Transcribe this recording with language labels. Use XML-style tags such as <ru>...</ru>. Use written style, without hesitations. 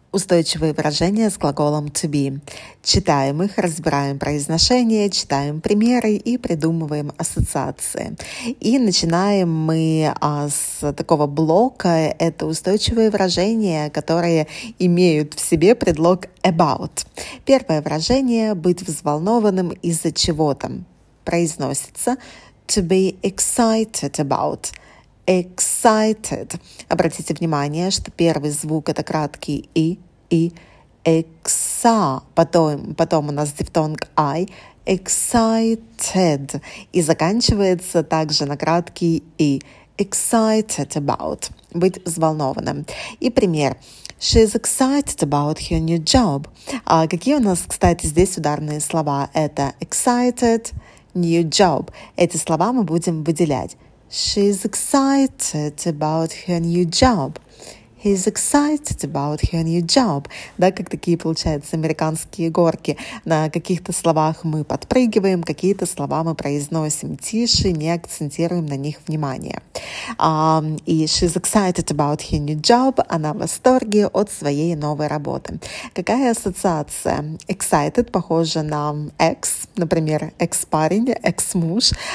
<ru>Устойчивые выражения с глаголом to be. Читаем их, разбираем произношение, читаем примеры и придумываем ассоциации. И начинаем мы с такого блока. Это устойчивые выражения, которые имеют в себе предлог about. Первое выражение – быть взволнованным из-за чего-то. Произносится</ru> <en>to be excited about. Excited.</en> <ru>Обратите внимание, что первый звук – это краткий «и». И «экса», потом у нас дифтонг «ай», «excited», и заканчивается также на краткий «и», «excited about», быть взволнованным. И пример.</ru> <en>She's excited about her new job.</en> <ru>А какие у нас, кстати, здесь ударные слова? Это</ru> <en>«excited», «new job».</en> <ru>Эти слова мы будем выделять.</ru> <en>She's excited about her new job. He's excited about her new job.</en> <ru>Да, как такие, получается, американские горки. На каких-то словах мы подпрыгиваем, какие-то слова мы произносим тише, не акцентируем на них внимание.</ru> <en>И she's excited about her new job.</en> <ru>Она в восторге от своей новой работы. Какая ассоциация? Excited похоже на ex, например, ex-парень, ex-муж.</ru>